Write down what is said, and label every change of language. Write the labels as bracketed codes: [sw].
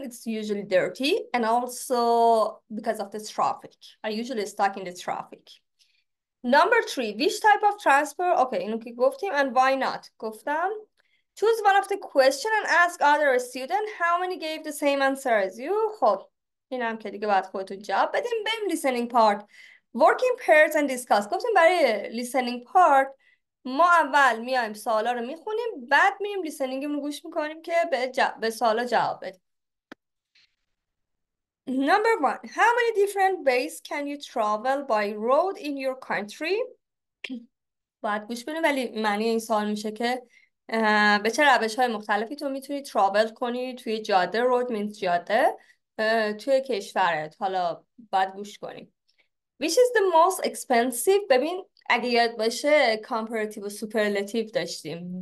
[en] It's usually dirty, and also because of the traffic. I usually stuck in the traffic. Number three, which type of transport? [fa] Okay, اینو که گفتیم, [en] and why not? [fa] گفتم. [en] Choose one of the question and ask other student how many gave the same answer as you. [fa] خب, این هم که دیگه باید خودتون جواب بدیم. بریم [en] listening part. Working pairs and discuss. [fa] گفتیم برای [en] listening part, [fa] ما اول میایم سوالا رو میخونیم، بعد میریم لیسنینگمون رو گوش میکنیم که به سوالا جواب بدیم. [en] Number one, how many different ways can you travel by road in your country? [fa] باید گوش بدیم، ولی معنی این سوال میشه که به چه روش های مختلفی تو میتونی travel کنی توی جاده. [en] Road means [fa] جاده توی کشورت. حالا باید گوش کنیم. [en] Which is the most expensive? [fa] ببین اگه یاد باشه comparative و superlative داشتیم.